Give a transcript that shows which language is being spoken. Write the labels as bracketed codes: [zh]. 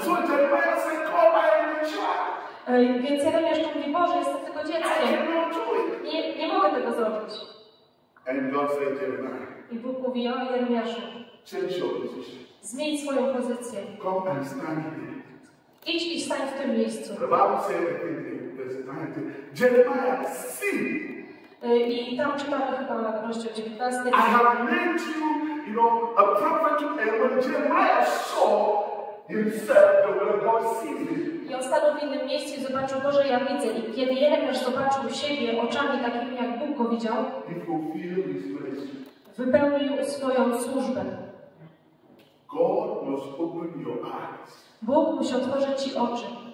[en] So Jeremiah said, call my only child. [pl] Więc Jeremiasz mówi: Boże, jestem tylko dzieckiem. Nie mogę tego zrobić. [en] And God said, Jeremiah. [pl] I Bóg mówi: o Jeremiaszu. [en] Change your position. [pl] Zmień swoją pozycję. [en] Come and stand in it. [pl] Idź i stań w tym miejscu. [en] The Bible says in verse 19, Jeremiah, see. [pl] I tam czytamy chyba na rozdział 19. [en] I have made you, you know, a prophet to everyone. Jeremiah saw himself the way God sees him. [pl] I on stał w innym miejscu i zobaczył: Boże, ja widzę. I kiedy Jeremiasz zobaczył siebie oczami takimi, jak Bóg go widział, [en] he fulfilled his place. [pl] Wypełnił swoją służbę. [en] God must open your eyes. [pl] Bóg musi otworzyć ci oczy.